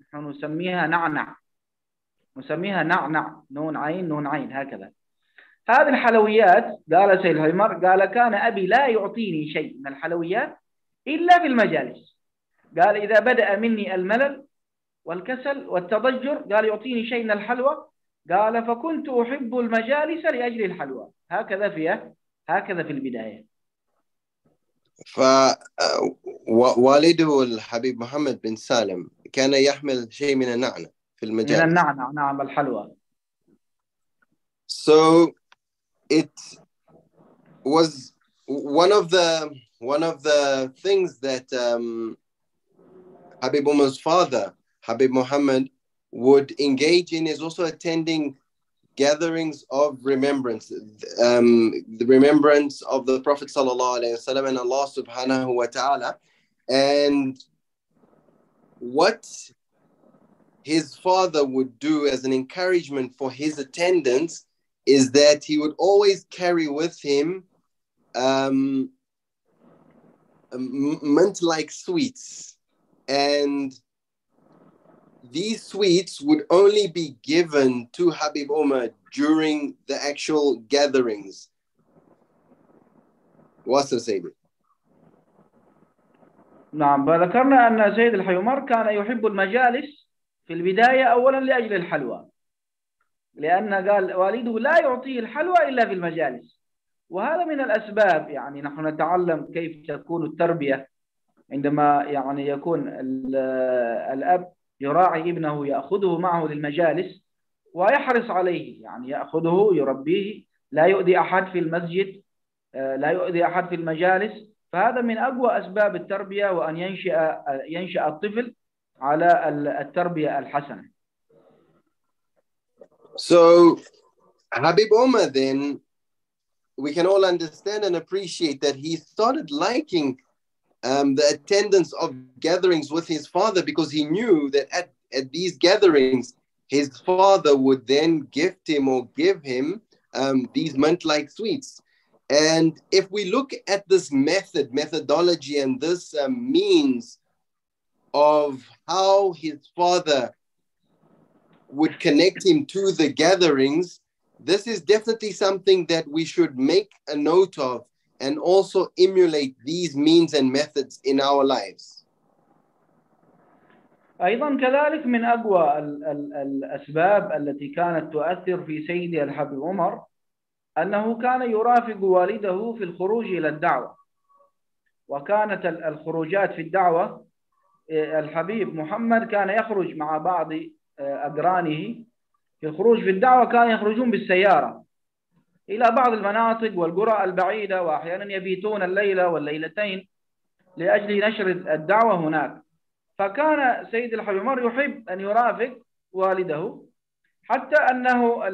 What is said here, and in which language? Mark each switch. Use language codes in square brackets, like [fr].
[ar] نحن نسميها نعنع نسميها نعنع نون عين نون عين هكذا هذه الحلويات قال سيد هيمر قال كان أبي لا يعطيني شيء من الحلويات إلا بالمجالس قال إذا بدأ مني الملل والكسل والتضجر قال يعطيني شيء من الحلوى قال فكنت أحب المجالس لأجل الحلوى هكذا فيه هكذا في البداية فوالده الحبيب محمد بن سالم كان يحمل شيء من النعنع في المجالس من النعنع نعم الحلوى [en] so it was one of the things that Habib Umar's father Ḥabīb Muḥammad would engage in is also attending gatherings of remembrance, the remembrance of the Prophet sallallahu alaihi wasallam and Allah subhanahu wa ta'ala. And what his father would do as an encouragement for his attendance is that he would always carry with him mint-like sweets. And these sweets would only be given to Ḥabīb Umar during the actual gatherings. What's the Sayyidī? [ar] نعم ذكرنا أن سيد الحيومر كان يحب المجالس في البداية أولا لأجل الحلوى لأن قال والده لا يعطيه الحلوى إلا في المجالس وهذا من الأسباب يعني نحن نتعلم كيف تكون التربية عندما يعني يكون الأب يراعي ابنه يأخذه معه للمجالس ويحرص عليه يعني يأخذه يربيه لا يؤذي أحد في المسجد لا يؤذي أحد في المجالس فهذا من أقوى أسباب التربية وأن ينشأ الطفل على التربية الحسنة [en] So Ḥabīb Umar then we can all understand and appreciate that he started liking the attendance of gatherings with his father because he knew that at these gatherings his father would then gift him or give him these mint-like sweets. And if we look at this methodology and this means of how his father would connect him to the gatherings, this is definitely something that we should make a note of and also emulate these means and methods in our lives. [ar] ايضا كذلك من اقوى الاسباب التي كانت تؤثر في سيدي الحبيب عمر انه كان يرافق والده في الخروج الى الدعوه وكانت الخروجات في الدعوه الحبيب محمد كان يخرج مع بعض اقرانه في الخروج في الدعوه كان يخرجون بالسياره إلى بعض المناطق والقرى البعيدة وأحياناً يبيتون الليلة والليلتين لأجل نشر الدعوة هناك فكان سيد الحبيب عمر يحب أن يرافق والده حتى أنه